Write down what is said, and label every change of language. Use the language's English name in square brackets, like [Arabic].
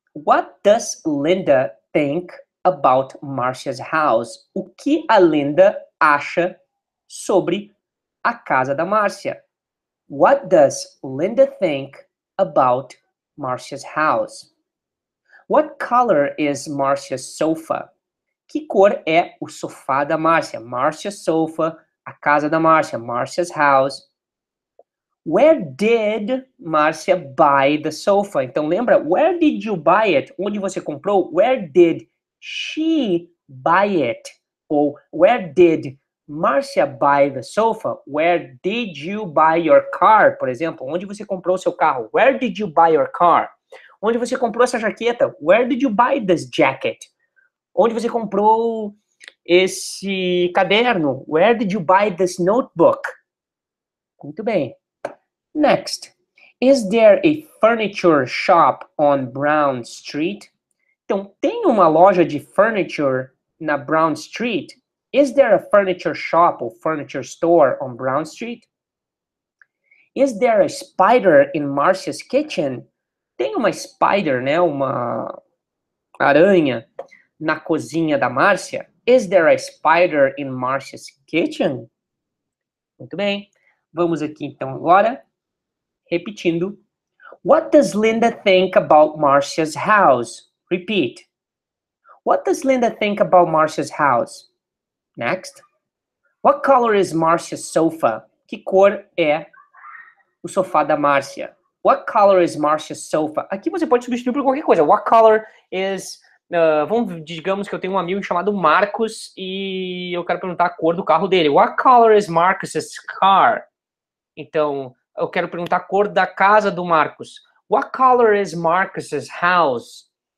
[English] What does Linda think about Marcia's house? [Portuguese] O que a Linda acha sobre a casa da Marcia? [English] What does Linda think about Marcia's house? What color is Marcia's sofa? [Portuguese] Que cor é o sofá da Marcia? [English] Marcia's sofa, [Portuguese] a casa da Marcia, [English] Marcia's house. Where did Marcia buy the sofa? [Portuguese] Então lembra, [English] where did you buy it? [Portuguese] Onde você comprou? [English] Where did she buy it? Ou where did Marcia buy the sofa? Where did you buy your car? [Portuguese] Por exemplo, onde você comprou seu carro? [English] Where did you buy your car? [Portuguese] Onde você comprou essa jaqueta? [English] Where did you buy this jacket? [Portuguese] Onde você comprou esse caderno? [English] Where did you buy this notebook? [Portuguese] Muito bem. [English] Next, is there a furniture shop on Brown Street? [Portuguese] Então, tem uma loja de furniture na Brown Street? [English] Is there a furniture shop or furniture store on Brown Street? Is there a spider in Marcia's kitchen? [Portuguese] Tem uma spider, né, uma aranha na cozinha da Marcia? [English] Is there a spider in Marcia's kitchen? [Portuguese] Muito bem. Vamos aqui então agora. Repetindo, [English] what does Linda think about Marcia's house? Repeat. What does Linda think about Marcia's house? Next. What color is Marcia's sofa? [Portuguese] Que cor é o sofá da Marcia? [English] What color is Marcia's sofa? [Portuguese] Aqui você pode substituir por qualquer coisa. [English] What color is... [Portuguese] digamos que eu tenho um amigo chamado Marcos e eu quero perguntar a cor do carro dele. [English] What color is Marcus's car? [Portuguese] Então... eu quero perguntar a cor da casa do Marcos. [English] What color is Marcus's house?